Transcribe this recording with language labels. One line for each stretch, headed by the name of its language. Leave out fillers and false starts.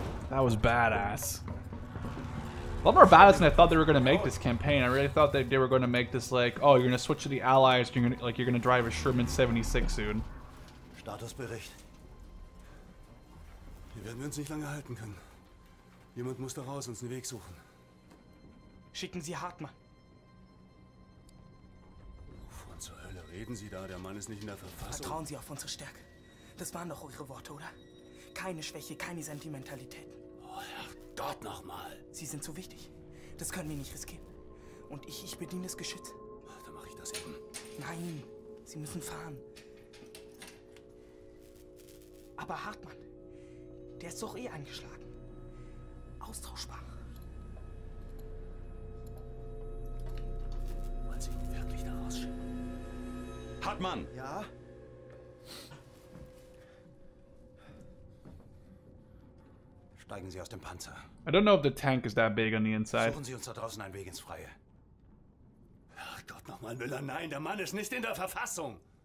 English: That was badass. A lot more badass than I thought they were gonna make this campaign. I really thought that they were gonna make this like, oh, you're gonna switch to the Allies, you're gonna drive a Sherman 76 soon.
German: Statusbericht. Hier werden wir uns nicht lange halten können. Jemand muss da raus, uns einen Weg suchen. Schicken Sie Hartmann. Wovon zur Hölle reden Sie da? Der Mann ist nicht in der Verfassung. Vertrauen Sie auf unsere Stärke. Das waren doch Ihre Worte, oder? Keine Schwäche, keine Sentimentalitäten. Gott nochmal. Sie sind zu wichtig. Das können wir nicht riskieren. Und ich bediene das Geschütz. Dann mache ich das eben. Nein, Sie müssen fahren. Aber Hartmann, der ist doch eh angeschlagen. Austauschbar. Wollen Sie ihn wirklich da rausschicken? Hartmann! Ja? Steigen Sie aus dem Panzer.
English: I don't know if the tank is that big on the inside.
German: Suchen Sie uns da draußen einen Weg ins Freie. Ach Gott, nochmal, Müller, nein, der Mann ist nicht in der Verfassung.